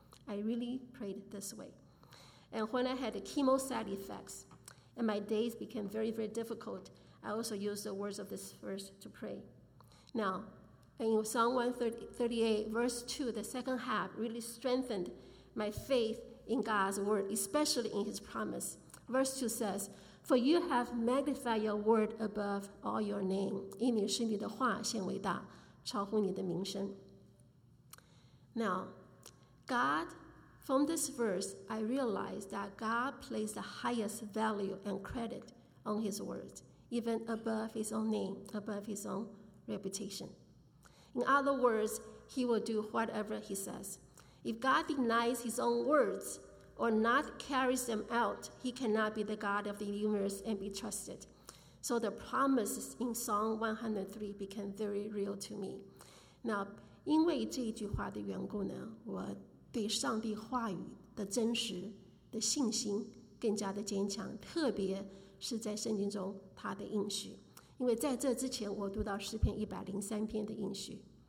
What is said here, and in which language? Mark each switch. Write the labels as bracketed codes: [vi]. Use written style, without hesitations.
[en] I really prayed this way. And when I had the chemo side effects and my days became very, very difficult, I also used the words of this verse to pray. Now, in Psalm 138, verse 2, the second half really strengthened my faith in God's word, especially in his promise. Verse 2 says, "For you have magnified your word above all your name." [zh] 因你是你的话显伟大，超乎你的名声. [en] Now, God, from this verse, I realized that God placed the highest value and credit on his words, even above his own name, above his own reputation. In other words, he will do whatever he says. If God denies his own words, or not carries them out, he cannot be the God of the universe and be trusted. So the promises in Psalm 103 became very real to me. Now, [zh] 因为这一句话的缘故呢, 我对上帝话语的真实的信心更加的坚强, 特别是在圣经中他的应许。因为在这之前, 我读到诗篇103篇的应许。